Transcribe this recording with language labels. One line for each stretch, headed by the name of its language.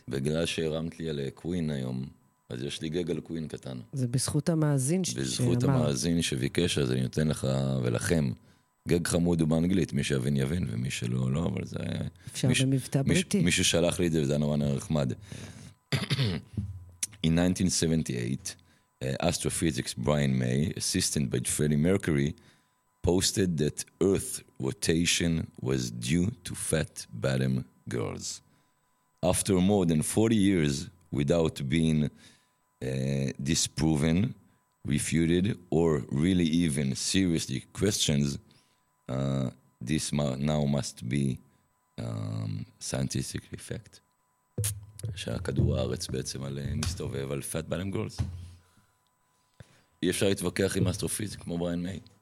Hebrew: בגלל שהרמת לי על קווין היום, אז יש לי גג על קווין קטן. זה בזכות המאזין שאמר. בזכות המאזין שביקש, אז אני נותן לך ולכם. גג חמוד הוא באנגלית, מי שיבין יבין, ומי שלא, לא, אבל זה... אפשר במבטא בריטי. מישהו שלח לי את זה, וזה נורא נחמד.
English: In 1978... astrophysicist Brian May, assisted by Freddie Mercury, posted that Earth rotation was due to fat bottom girls. After more than 40 years without being disproven, refuted, or really even seriously questioned, this now must be scientific effect.
Hebrew: שהכדור הארץ בעצם על מסתובב על fat bottom girls. אי אפשר להתווכח עם אסטרופיזיק כמו בריין מיי.